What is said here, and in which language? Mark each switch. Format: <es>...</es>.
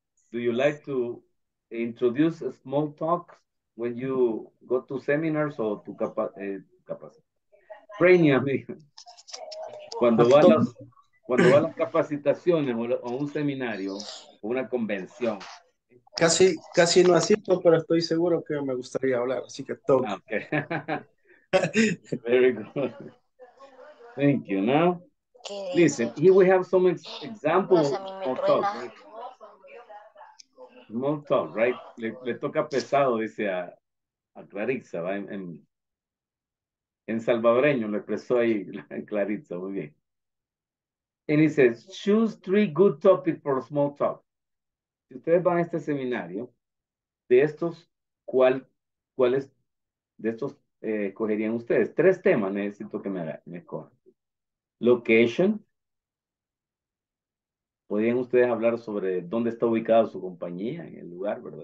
<en>Do you like to introduce a small talk when you go to seminars or to training, amigo?</en> <es>Cuando va a las capacitaciones o un seminario o una convención. Casi no asisto, pero estoy seguro que me gustaría hablar, así que todo.</es> <en>Okay. Very good. Thank you. Now, listen, here we have some examples of talk. Small talk, right?</en> <es>Le toca pesado, dice a Clarissa, ¿va? En salvadoreño lo expresó ahí Clarissa, muy bien.</es> <en>And he says, choose three good topics for small talk.</en> <es>Si ustedes van a este seminario, de estos, ¿cuáles de estos escogerían ustedes? Tres temas necesito que me escojan. Location. ¿Podrían ustedes hablar sobre dónde está ubicada su compañía en el lugar, verdad?</es>